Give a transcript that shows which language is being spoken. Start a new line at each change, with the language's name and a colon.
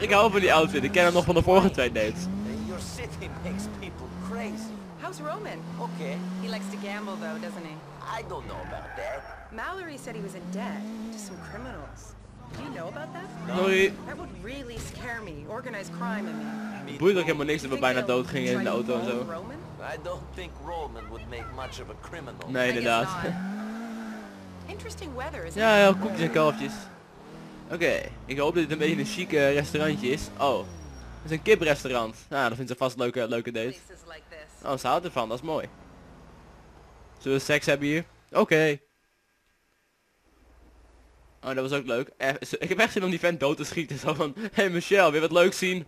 Dutch: Ik hou van die outfit. Ik ken hem nog van de vorige twee dates.
English: Your city makes people crazy. How's Roman? Okay. He likes to gamble though, doesn't he? I don't know about that. Mallory said he was in debt to some criminals. Do you know about that? No. That would really scare me. Organized crime, I mean.
Dutch: Boeit ook helemaal niks dat we bijna dood gingen in de auto en zo.
English: I don't think Roman would make much of a criminal.
Dutch: Nee, inderdaad.
English: Interesting weather, isn't
Dutch: it? Ja, koekjes en kalfjes. Oké, ik hoop dat dit een beetje een chique restaurantje is. Oh, het is een kiprestaurant. Nou, dat vindt ze vast leuke date. Oh, ze houdt ervan, dat is mooi. Zullen we seks hebben hier? Oké. Oh, dat was ook leuk. Ik heb echt zin om die vent dood te schieten. Zo van, hey Michelle, wil je wat leuk zien?